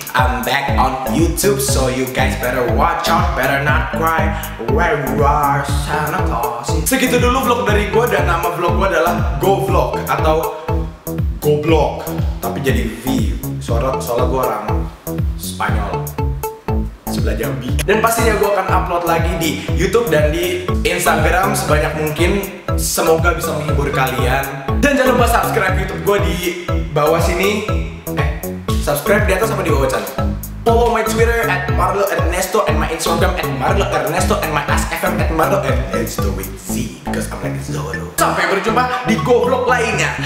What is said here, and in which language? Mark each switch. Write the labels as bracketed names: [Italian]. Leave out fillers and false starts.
[English] I'm back on YouTube, so you guys better watch out, better not cry. Where you are, Santa Claus. [Indonesian] Segitu dulu vlog dari gue, dan nama vlog gue adalah Go Vlog atau Go Vlog, tapi jadi V. Soalnya gue orang Spanyol sebelah Jambi. Dan pastinya gue akan upload lagi di YouTube dan di Instagram sebanyak mungkin. Semoga bisa menghibur kalian. Dan jangan lupa subscribe YouTube gue di bawah sini. Subscribe di atas apa di bawah sana? [English] Follow my Twitter at Marlo Ernesto, and my Instagram at Marlo Ernesto, and my AskFM at Marlo Ernesto with Z, because I'm like Zoro. [Indonesian] Sampai berjumpa di goblok lainnya.